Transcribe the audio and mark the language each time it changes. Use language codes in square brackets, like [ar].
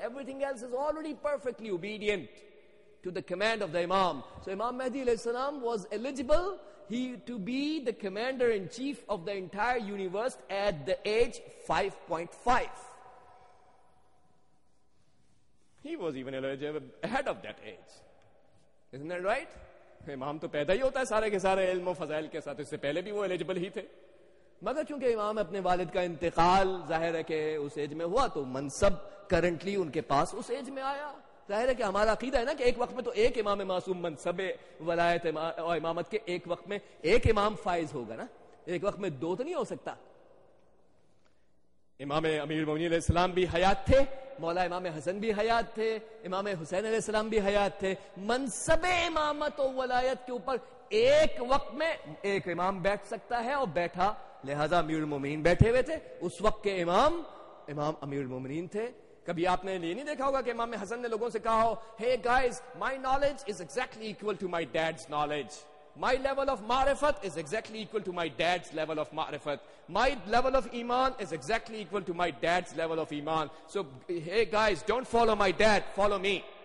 [en] Everything else is already perfectly obedient to the command of the Imam. So Imam Mahdi alayhi salam was eligible he to be the commander in chief of the entire universe at the age 5.5. He was even Elijah ahead of that age. Isn't that right? [ur] امام تو پیدا ہی ہوتا ہے سارے کے سارے علم و فضائل کے ساتھ, اس سے پہلے بھی وہ ایلیجبل ہی تھے. مگر چونکہ امام اپنے والد کا انتقال ظاہر ہے کہ اس ایج میں ہوا, تو منصب کرنٹلی ان کے پاس اس ایج میں آیا. ظاہر ہے کہ ہمارا عقیدہ ہے نا کہ ایک وقت میں تو ایک امام معصوم منصب ولایت اور امامت کے ایک وقت میں ایک امام فائز ہوگا نا, ایک وقت میں دو تو نہیں ہو سکتا. امام امیر المومنین علیہ السلام بھی حیات تھے, مولا امام حسن بھی حیات تھے, امام حسین علیہ السلام بھی حیات تھے. منصب امامت و ولایت کے اوپر ایک وقت میں ایک امام بیٹھ سکتا ہے اور بیٹھا, لہذا امیر المومنین بیٹھے ہوئے تھے. اس وقت کے امام امام امیر المومنین تھے. کبھی آپ نے یہ نہیں دیکھا ہوگا کہ امام حسن نے لوگوں سے کہا ہو, [en] hey guys, my knowledge is exactly equal to my dad's knowledge. My level of ma'rifat is exactly equal to my dad's level of ma'rifat. My level of iman is exactly equal to my dad's level of iman. So, hey guys, don't follow my dad, follow me.